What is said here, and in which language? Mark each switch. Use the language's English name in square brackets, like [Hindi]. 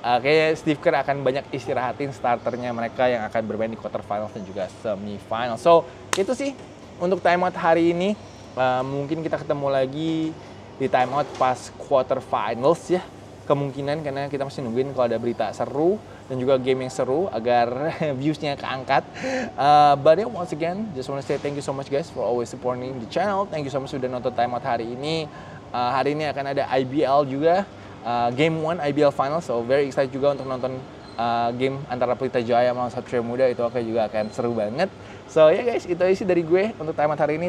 [Indonesian] Kayaknya Steve Kerr akan banyak istirahatin starternya mereka yang akan bermain di quarter final dan juga semi final. So, itu sih untuk timeout hari ini. Mungkin kita ketemu lagi di timeout pas quarter finals ya. Kemungkinan karena kita masih nungguin kalau ada berita seru dan juga game yang seru agar views-nya keangkat. [English] But yeah, once again, just want to say thank you so much guys for always supporting the channel. Thank you so much [Indonesian] sudah nonton timeout hari ini. Hari ini akan ada IBL juga. Game 1 IBL Final, [English] so very excited [Indonesian] juga untuk nonton game antara Pelita Jaya melawan Satria Muda, itu okay juga akan seru banget. So yeah guys, itu aja sih dari gue untuk timeout hari ini.